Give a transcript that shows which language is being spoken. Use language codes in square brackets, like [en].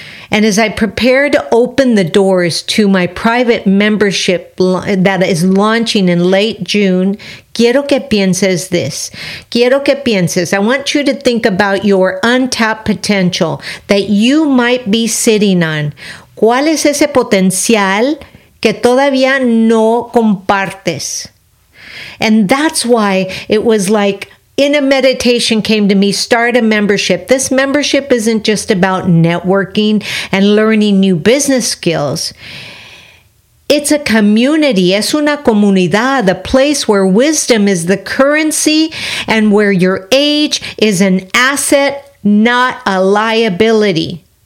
[en] And as I prepare to open the doors to my private membership that is launching in late June, [es] quiero que pienses [en] this. [es] Quiero que pienses. [en] I want you to think about your untapped potential that you might be sitting on. [es] ¿Cuál es ese potencial que todavía no compartes? [en] And that's why it was like, in a meditation came to me, start a membership. This membership isn't just about networking and learning new business skills. It's a community. [es] Es una comunidad, [en] a place where wisdom is the currency and where your age is an asset, not a liability.